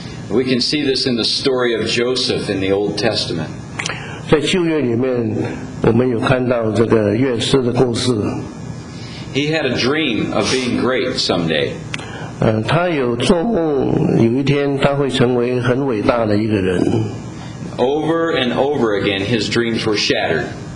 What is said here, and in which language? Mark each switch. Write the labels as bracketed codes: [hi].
[en] We can see this in the story of Joseph in the Old Testament. [zh] 在旧约里面，我们有看到这个约瑟的故事。 [en] He had a dream of being great someday. [zh] 他有做梦，有一天他会成为很伟大的一个人。 [en] Over and over again, his dreams were shattered.